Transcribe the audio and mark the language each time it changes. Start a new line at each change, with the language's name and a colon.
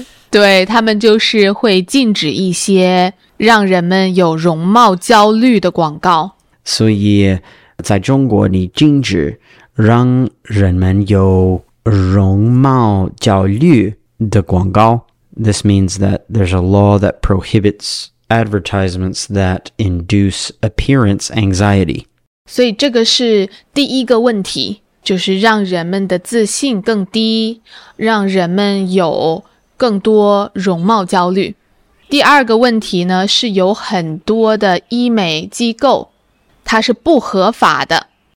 Chinese: 对，他们就是会禁止一些让人们有容貌焦虑的广告。所以在中国，你禁止让人们有容貌焦虑的广告。
English: This means that there's a law that prohibits advertisements that induce appearance anxiety.
Chinese: 所以这个是第一个问题，就是让人们的自信更低，让人们有更多容貌焦虑。第二个问题呢，是有很多的医美机构，它是不合法的。